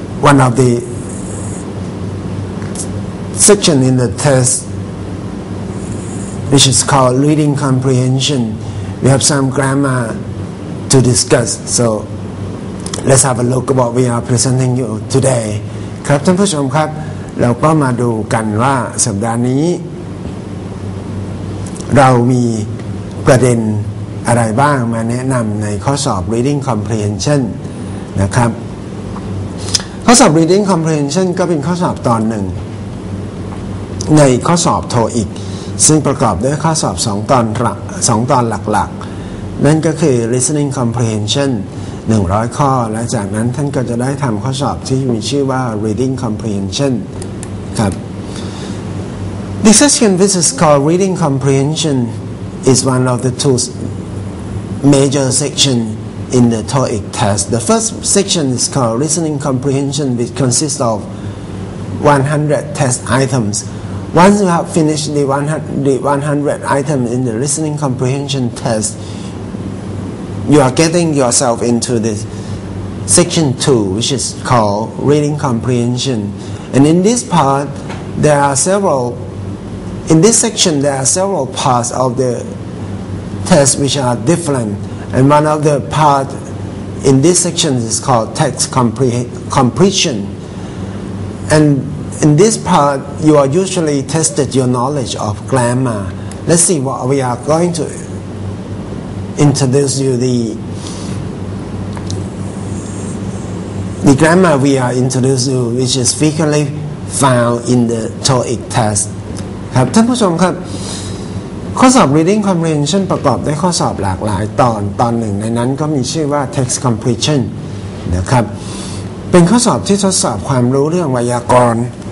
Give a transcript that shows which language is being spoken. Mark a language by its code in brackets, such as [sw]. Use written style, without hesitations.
[en] One of the section in the test, which is called reading comprehension, we have some grammar to discuss. So let's have a look at what we are presenting you today. [th] ครับท่านผู้ชมครับเราก็มาดูกันว่าสัปดาห์นี้เรามีประเด็นอะไรบ้างมาแนะนำในข้อสอบ reading comprehension นะครับข้อสอบ Reading Comprehension ก็เป็นข้อสอบตอนหนึ่ง ในข้อสอบโทอีกซึ่งประกอบด้วยข้อสอบ2ตอนหลักๆนั่นก็คือ Listening Comprehension 100ข้อและจากนั้นท่านก็จะได้ทำข้อสอบที่มีชื่อว่า Reading Comprehension ครับ [en] The session this is called Reading Comprehension is one of the two major sectionIn the TOEIC test, the first section is called Listening Comprehension, which consists of 100 test items. Once you have finished the 100 items in the Listening Comprehension test, you are getting yourself into the section 2, which is called Reading Comprehension. And in this part, there are several. In this section, there are several parts of the test which are different. And one of the part in this section is called text completion. And in this part, you are usually tested your knowledge of grammar. Let's see what we are going to introduce you the grammar we are introducing you, which is frequently found in the TOEIC test. [th] ครับท่านผู้ชมครับข้อสอบ reading comprehension ประกอบด้วยข้อสอบหลากหลายตอนหนึ่งในนั้นก็มีชื่อว่า text completion นะครับเป็นข้อสอบที่ทดสอบความรู้เรื่องไวยากรณ์